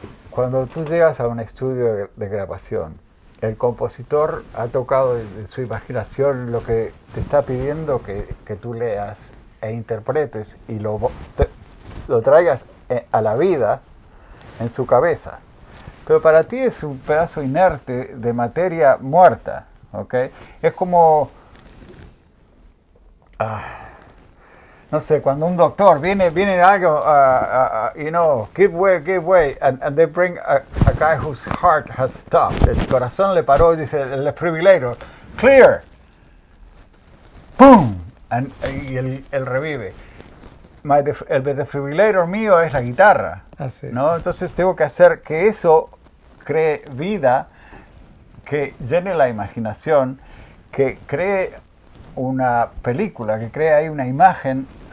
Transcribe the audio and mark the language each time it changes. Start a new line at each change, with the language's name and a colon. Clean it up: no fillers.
Spanish: Cuando tú llegas a un estudio de grabación, el compositor ha tocado de su imaginación lo que te está pidiendo que tú leas e interpretes y lo traigas a la vida en su cabeza. Pero para ti es un pedazo inerte de materia muerta, ¿ok? Es como. No sé, cuando un doctor viene algo,
English: you know, give way, and they bring a guy whose heart has stopped.
Spanish: El corazón le paró y dice, el defibrilador, clear. ¡Boom! Y él revive. El defibrilador mío es la guitarra, Así es. ¿no? Entonces tengo que hacer que eso cree vida, que llene la imaginación, que cree una película, que cree ahí una imagen.